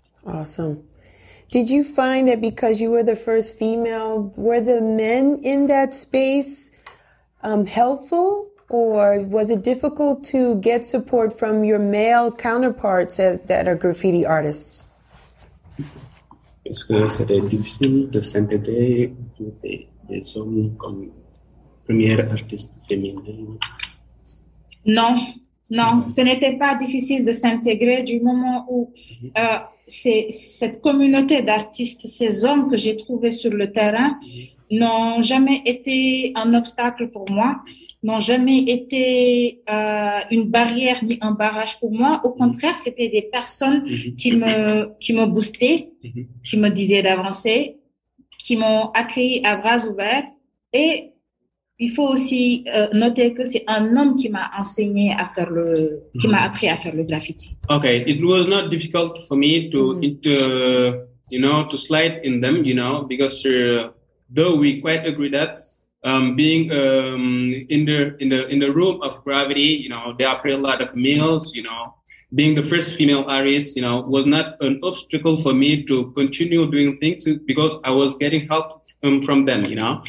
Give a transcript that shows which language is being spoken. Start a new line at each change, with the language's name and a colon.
English: Awesome. Did you find that because you were the first female, were the men in that space helpful, or was it difficult to get support from your male counterparts that are graffiti artists?
French: Est-ce que c'était difficile de s'intégrer des hommes comme première artiste féminine. Non, non, ce n'était pas difficile de s'intégrer du moment où c'est cette communauté d'artistes, ces hommes que j'ai trouvés sur le terrain, n'ont jamais été un obstacle pour moi, n'ont jamais été une barrière ni un barrage pour moi. Au contraire, c'était des personnes qui me boostaient, qui me disaient d'avancer, qui m'ont accueilli à bras ouverts. Et il faut aussi noter que c'est un homme qui m'a enseigné à faire le, qui m'a appris à faire le graffiti.
English: Okay, it was not difficult for me to to slide in them, you know, because though we quite agree that being in the room of Graffiti, you know, there are a lot of males, you know, being the first female artist, you know, was not an obstacle for me to continue doing things because I was getting help from them, you know.